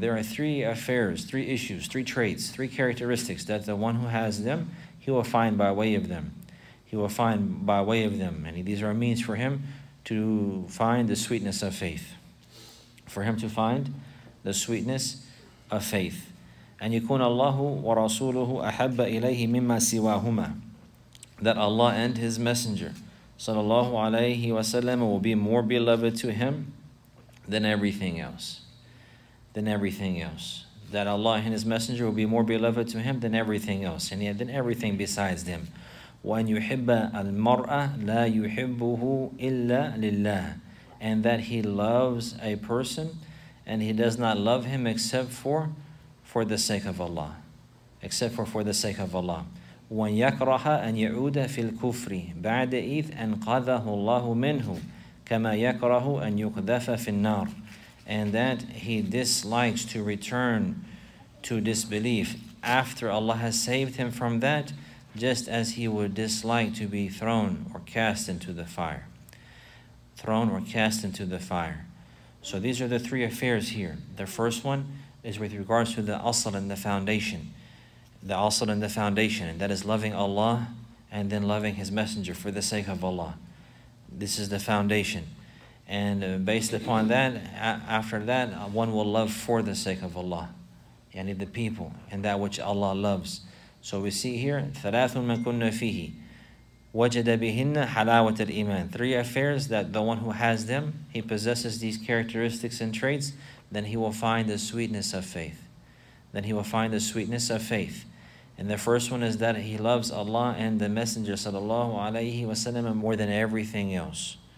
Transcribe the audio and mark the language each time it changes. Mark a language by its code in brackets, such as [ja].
[en] There are three affairs, three issues, three traits, three characteristics that the one who has them, he will find by way of them. He will find by way of them. And these are means for him to find the sweetness of faith. For him to find the sweetness of faith. [ar] And يكون الله ورسوله أحب إليه مما سواهما. [en] That Allah and His Messenger sallallahu alayhi wa sallam will be more beloved to him than everything else. Than everything else. That Allah and His Messenger will be more beloved to him than everything else. And yet than everything besides them. [ar] وأن يحب المرء لا يحبه إلا لله. [en] And that he loves a person and he does not love him except for the sake of Allah. Except for the sake of Allah. [ar] وَنْ يَكْرَحَ أَنْ يَعُودَ فِي الْكُفْرِ بَعْدَ إِذْ أَنْقَذَهُ اللَّهُ مِنْهُ كَمَا يَكْرَهُ أَنْ يُقْذَفَ فِي النَّارِ. [en] And that he dislikes to return to disbelief after Allah has saved him from that, just as he would dislike to be thrown or cast into the fire. Thrown or cast into the fire. So these are the three affairs here. The first one is with regards to the asl and the foundation. The asl and the foundation, and that is loving Allah and then loving His Messenger for the sake of Allah. This is the foundation. And based upon that, after that, one will love for the sake of Allah. Yani the people and that which Allah loves. So we see here, [ar] ثَلَاثٌ مَنْ كُنَّ فِيهِ وَجَدَ بِهِنَّ حَلَاوَةَ الْإِيمَانِ. [en] Three affairs that the one who has them, he possesses these characteristics and traits, then he will find the sweetness of faith. Then he will find the sweetness of faith. And the first one is that he loves Allah and the Messenger sallallahu alayhi wa sallam more than everything else.